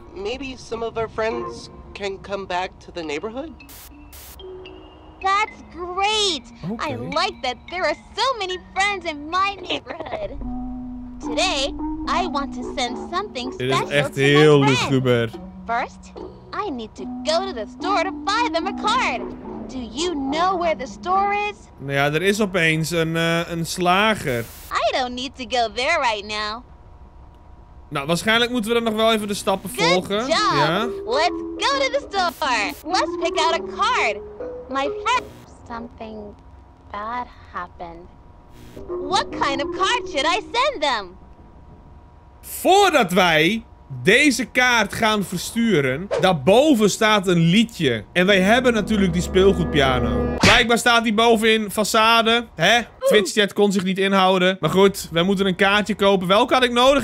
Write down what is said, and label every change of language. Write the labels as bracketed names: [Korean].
[English] maybe some of our friends can come back to the neighborhood? That's great. Okay. I like that there are so many friends in my neighborhood. Today, I want to send something special to my friends. [Dutch] Dit is echt heel lugubber. [English] First, I need to go to the store to buy them a card. Do you know where the store is? [Dutch] Nou ja, er is opeens een slager. [English] I don't need to go there right now. [Dutch] Nou, waarschijnlijk moeten we dan nog wel even de stappen volgen. [English] Good job. Ja. Let's go to the store. Let's pick out a card. My friend, something bad happened. What kind of card should I send them? [Dutch] Voordat wij deze kaart gaan versturen, daarboven staat een liedje. En wij hebben natuurlijk die speelgoedpiano. Blijkbaar staat die bovenin façade. Hè? Twitchchat kon zich niet inhouden. Maar goed, wij moeten een kaartje kopen. Welke had ik nodig?